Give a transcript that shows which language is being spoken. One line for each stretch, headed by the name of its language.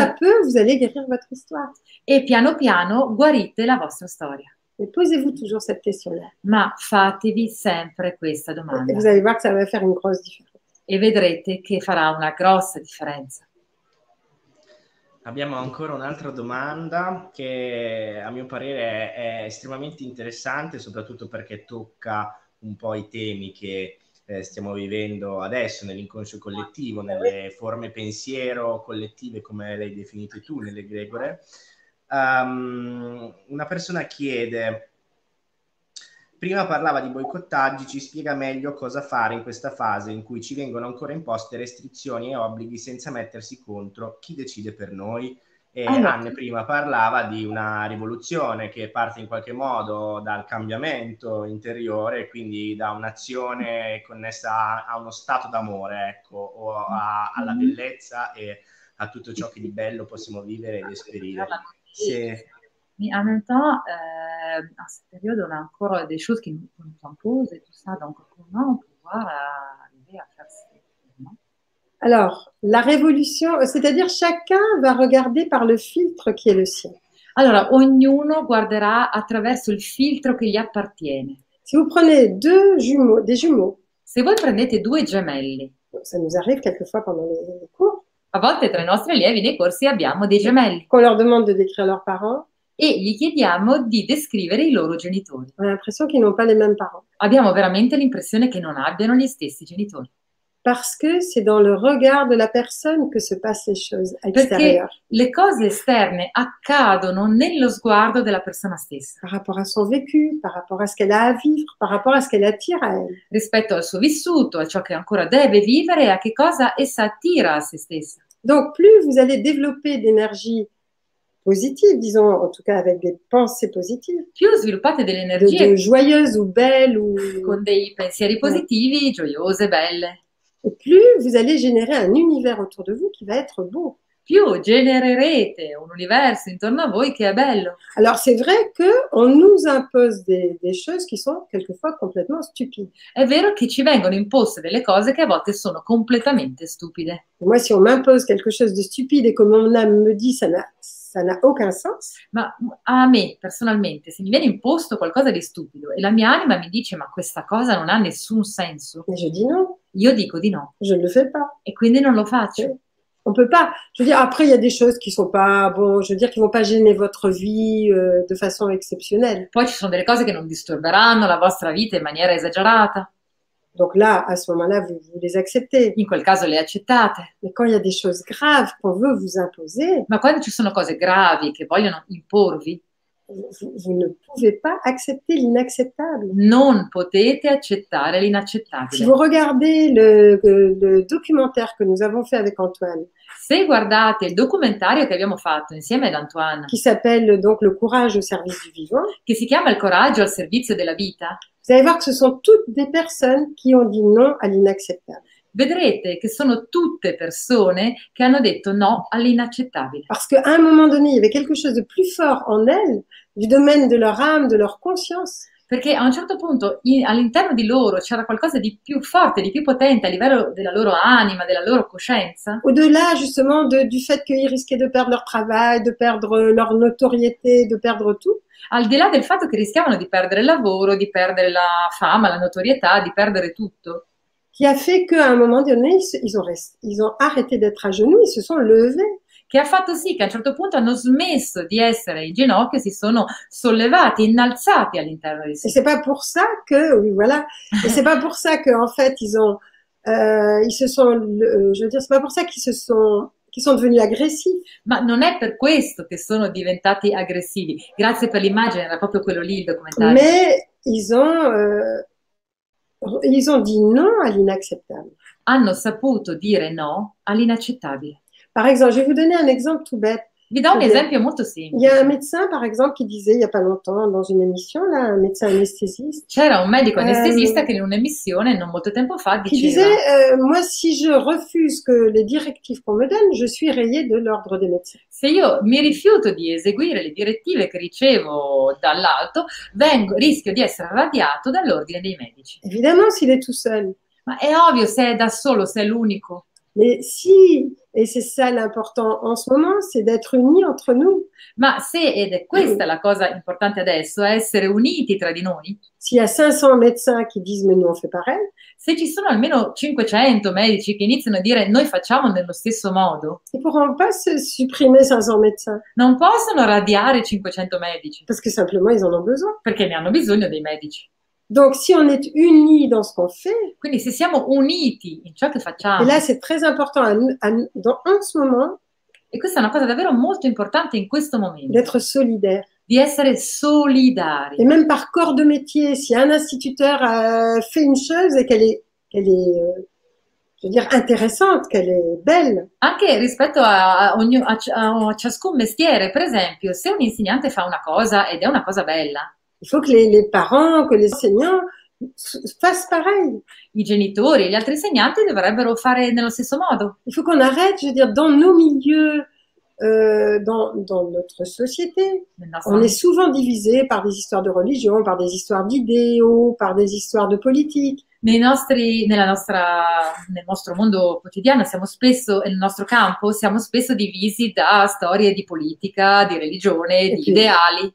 French: à peu, vous allez guérir votre histoire.
Italian: E piano piano guarite la vostra storia.
French: Et posez-vous toujours cette question-là.
Italian: Ma fatevi sempre questa
French: Et
Italian: domanda.
French: vous allez voir que ça va faire une grosse différence.
Italian: E vedrete che farà una grossa differenza. Abbiamo ancora un'altra domanda che a mio parere è estremamente interessante, soprattutto perché tocca un po' i temi che stiamo vivendo adesso nell'inconscio collettivo, nelle forme pensiero collettive, come l'hai definito tu, nell'egregore. Una persona chiede: prima parlava di boicottaggi, ci spiega meglio cosa fare in questa fase in cui ci vengono ancora imposte restrizioni e obblighi senza mettersi contro chi decide per noi? E Allora, Anne prima parlava di una rivoluzione che parte in qualche modo dal cambiamento interiore, quindi da un'azione connessa a uno stato d'amore, ecco, o alla bellezza e a tutto ciò che di bello possiamo vivere ed esperire. Se...
French: mais en même temps, à cette période, on a encore des choses qui nous imposent et tout ça, donc comment pouvoir arriver à faire ça? Alors, la révolution, c'est-à-dire chacun va regarder par le filtre qui est le sien.
Italian: Allora, ognuno guarderà attraverso il filtro che gli appartiene.
French: Si vous prenez deux jumeaux, des jumeaux,
Italian: Se voi prendete due gemelli,
French: ça nous arrive quelquefois pendant les cours,
Italian: a volte tra i nostri allievi nei corsi abbiamo dei gemelli
French: qu'on leur demande de décrire leurs parents,
Italian: e gli chiediamo di descrivere i loro genitori.
French: on a l'impression qu'ils n'ont pas les mêmes parents.
Italian: Abbiamo veramente l'impressione che non abbiano gli stessi genitori.
French: Parce que c'est dans le regard de la personne que se passent les choses à
Italian: Perché
French: l'extérieur.
Italian: le cose esterne accadono nello sguardo della persona stessa.
French: Par rapport à son vécu, par rapport à ce qu'elle a à vivre, par rapport à ce qu'elle attire à elle.
Italian: Rispetto al suo vissuto, a ciò che ancora deve vivere, a che cosa essa attira a se stessa.
French: Donc, plus vous allez développer d'énergie positive, disons en tout cas avec des pensées positives,
Italian: Più sviluppate delle
French: de
Italian: energie
French: joyeuses ou belles, ou.
Italian: con dei pensieri
French: Ouais.
Italian: positivi, gioiose, belle,
French: Et plus vous allez générer un univers autour de vous qui va être beau.
Italian: più genererete un universo intorno a voi che è bello.
French: Alors c'est vrai qu'on nous impose des choses qui sont quelquefois complètement stupides.
Italian: È vero che ci vengono imposte delle cose che a volte sono completamente stupide.
French: Moi, si on m'impose quelque chose de stupide et que mon âme me dit ça n'a aucun sens.
Italian: Ma a me, personalmente, se mi viene imposto qualcosa di stupido e la mia anima mi dice: ma questa cosa non ha nessun senso,
French: Mais je dis non.
Italian: io dico di no.
French: Je ne le fais pas.
Italian: E quindi non lo faccio.
French: On peut pas. Je veux dire, après, il y a des choses qui sont pas bon. Je veux dire, qui vont pas gêner votre vie de façon exceptionnelle.
Italian: Poi ci sono delle cose che non disturberanno la vostra vita in maniera esagerata.
French: Donc là, à ce moment-là, vous les acceptez.
Italian: In quel caso le accettate.
French: Mais quand il y a des choses graves qu'on veut vous imposer,
Italian: Ma quando ci sono cose gravi che vogliono imporvi,
French: vous ne pouvez pas accepter l'inacceptable.
Italian: non potete accettare
French: Si vous
Italian: l'inaccettabile.
French: regardez le documentaire
Italian: che
French: nous avons fait avec Antoine,
Italian: Se guardate il documentario che abbiamo fatto insieme ad Antoine,
French: qui s'appelle donc Le courage au service du vivant,
Italian: che si chiama Il coraggio al servizio della vita,
French: vous allez voir que ce sont toutes des personnes qui ont dit non à l'inacceptable.
Italian: vedrete che sono tutte persone che hanno detto no all'inaccettabile.
French: Parce qu'à un moment donné, il y avait quelque chose de plus fort en elles, du domaine de leur âme, de leur conscience.
Italian: Perché a un certo punto all'interno di loro c'era qualcosa di più forte, di più potente a livello della loro anima, della loro coscienza.
French: Au-delà justement du fait qu'ils risquaient de perdre leur travail, de perdre leur notoriété, de perdre tout.
Italian: Al di là del fatto che rischiavano di perdere il lavoro, di perdere la fama, la notorietà, di perdere tutto.
French: Qui a fait qu'à un moment donné, ils ont arrêté d'être à genoux, ils se sont levés.
Italian: Che ha fatto sì che a un certo punto hanno smesso di essere in ginocchio e si sono sollevati, innalzati all'interno di
French: Et c'est pas pour ça que, oui, voilà. Et c'est pas pour ça que, en fait, ils se sont, je veux dire, c'est pas pour ça qu'ils se sont
Italian: che sono diventati aggressivi. Ma non è per questo che sono diventati aggressivi. Grazie per l'immagine, era proprio quello lì il documentario. Ma
French: ils ont dit non à l'inacceptable.
Italian: Hanno saputo dire no all'inaccettabile.
French: Par exemple, je vais vous donner un exemple tout bête.
Italian: Vi do un esempio molto semplice.
French: Il y a un médecin, par exemple, qui disait il n'y a pas longtemps dans une émission, là, un médecin anesthésiste.
Italian: C'era un medico anestesista che in un'emissione non molto tempo fa diceva.
French: Qui disait, moi, si je refuse que les directives qu'on me donne, je suis rayé de l'ordre des médecins.
Italian: Se io mi rifiuto di eseguire le direttive che ricevo dall'alto, rischio di essere radiato dall'ordine dei medici.
French: Évidemment, s'il est tout seul.
Italian: Ma è ovvio se è da solo, se è l'unico.
French: Mais si, et c'est ça l'important en ce moment, c'est d'être unis entre nous.
Italian: Ma se, ed è questa la cosa importante adesso, essere uniti tra di noi.
French: S'il y a 500 médecins qui disent mais nous on fait pareil.
Italian: Se ci sono almeno 500 medici che iniziano a dire noi facciamo nello stesso modo.
French: Ils pourront pas se supprimer 500 médecins.
Italian: Non possono radiare 500 medici.
French: Parce que simplement ils en ont besoin.
Italian: Perché ne hanno bisogno dei medici.
French: Donc si on est unis dans ce qu'on fait,
Italian: quindi se siamo uniti in ciò che facciamo.
French: Et là c'est très important en ce moment.
Italian: E questa è una cosa davvero molto importante in questo momento.
French: D'être solidaire.
Italian: Di essere solidari.
French: Et même par corps de métier, si un instituteur fait une chose et qu'elle est je veux dire intéressante, qu'elle est belle.
Italian: Anche rispetto a ciascun mestiere, per esempio, se un insegnante fa una cosa ed è una cosa bella.
French: Il faut que les parents, que les enseignants fassent pareil.
Italian: I genitori e gli altri insegnanti dovrebbero fare nello stesso modo.
French: Il faut qu'on arrête, je veux dire, dans nos milieux, dans notre société, on est souvent divisé par des histoires de religion, par des histoires d'idéaux, par des histoires de politique.
Italian: Nel nostro mondo quotidiano siamo spesso, nel nostro campo, siamo spesso divisi da storie di politica, di religione, di ideali.